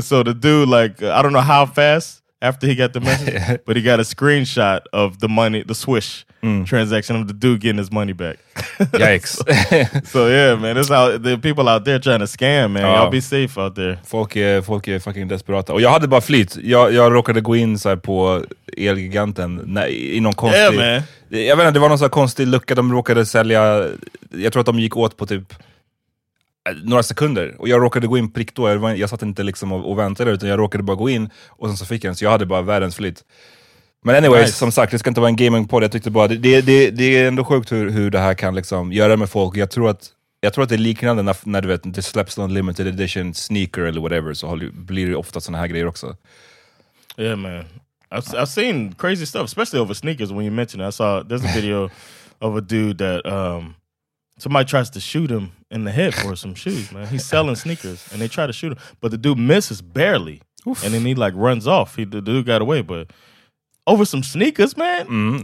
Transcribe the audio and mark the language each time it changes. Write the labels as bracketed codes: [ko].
[en] So the dude, like, I don't know how fast after he got the message, but he got a screenshot of the money, the swish transaction of the dude getting his money back. Yikes. So yeah, man, it's out, the people out there trying to scam, man. Y'all be safe out there. [sv] Folk är fucking desperata. Och jag hade bara flit. Jag råkade gå in så här på Elgiganten i någon konstig... [en] Yeah, man. [sv] Jag vet inte, det var någon så här konstig lucka de råkade sälja. Jag tror att de gick åt på typ några sekunder, och jag råkade gå in prick då. Jag satt inte liksom och väntade, utan jag råkade bara gå in, och sen så fick jag den. Så jag hade bara världens flit. Men anyways, nice. Som sagt, det ska inte vara en gaming-podd. Jag tyckte bara, det är ändå sjukt hur det här kan liksom göra med folk. Jag tror att det är liknande när du vet, det släpps någon [en] limited edition sneaker [sv] eller whatever, så blir det ofta såna här grejer också. [en] Yeah man, I've seen crazy stuff, especially over sneakers. When you mentioned it, I saw there's a video of a dude that somebody tries to shoot him in the head for some shoes, man. He's selling sneakers, and they try to shoot him, but the dude misses barely. Oof. And then he like runs off. The dude got away, but over some sneakers, man.